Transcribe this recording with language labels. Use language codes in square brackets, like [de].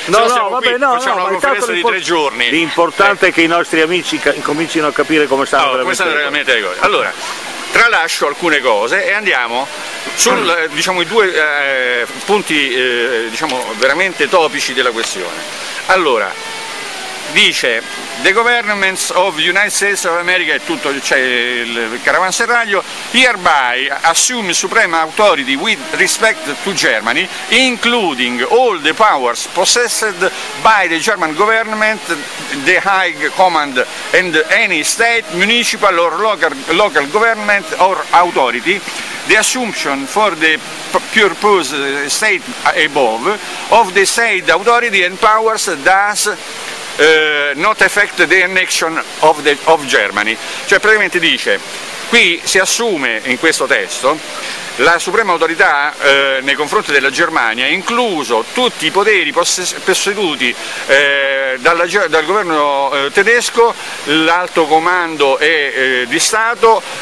[it] No, no, vabbè, qui, no, facciamo no, una conferenza di tre giorni. L'importante è che i nostri amici comincino a capire come stanno veramente le cose. Allora, tralascio alcune cose e andiamo sul, diciamo, i due punti diciamo, veramente topici della questione. Allora, dice [en] the governments of the United States of America, [it] e tutto c'è, cioè il caravanserraglio, [en] hereby assume supreme authority with respect to Germany, including all the powers possessed by the German government, the high command and any state, municipal or local government or authority, the assumption for the purpose state above of the said authority and powers thus not affect the annexion of Germany. [it] Cioè praticamente dice, qui si assume in questo testo la suprema autorità nei confronti della Germania, incluso tutti i poteri posseduti dal governo tedesco, l'alto comando di Stato,